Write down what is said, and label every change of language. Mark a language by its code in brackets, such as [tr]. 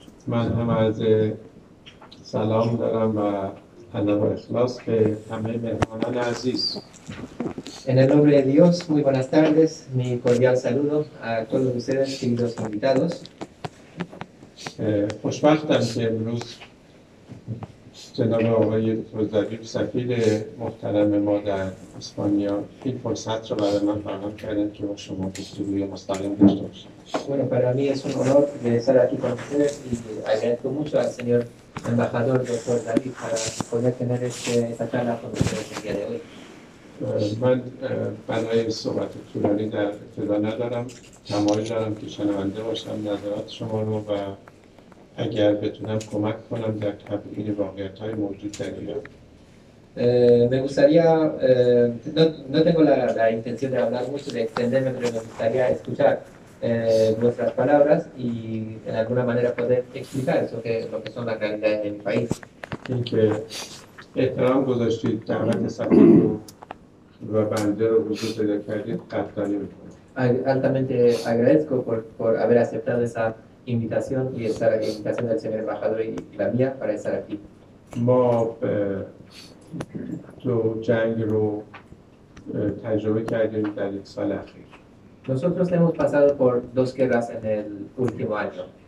[fa] من هم از سلام دارم و ادب و اخلاص به همه مهمانان عزیز. [es] En el nombre de Dios, muy buenas tardes. Mi cordial saludo a todos ustedes, queridos invitados. [fa] خوشبختم که امروز جناب آقای روزدری سفیر محترم ما در اسپانیا این فرصت رو برای من فراهم کردن که با شما گفتگوی مستقیم داشته باشم. [es] Bueno, para mí es un honor de estar aquí con ustedes y agradezco mucho al señor embajador doctor David para poder tener esta charla con ustedes el día de hoy. [fa] من برای صحبت طولانی در ابتدا ندارم. تمایل دارم که شنونده باشم نظرات شما رو و اگر بتونم کمک کنم در تبیین واقعیت‌های موجود در ایران. [es] Me gustaría, no tengo la intención de hablar mucho, de extenderme, pero me gustaría escuchar vuestras palabras y de alguna manera poder explicar eso que lo que son las realidades de mi país. [fa] Que احترام گذاشتید دعوت سفیر رو و بنده رو حضور پیدا کردید قدردانی می‌کنم. [es] Altamente agradezco por haber aceptado esa invitación y esa invitación del señor embajador y la mía para estar aquí. [fa] ما تو جنگ رو تجربه کردیم در یک سال اخیر. [es] Nosotros hemos pasado por dos guerras en el último año.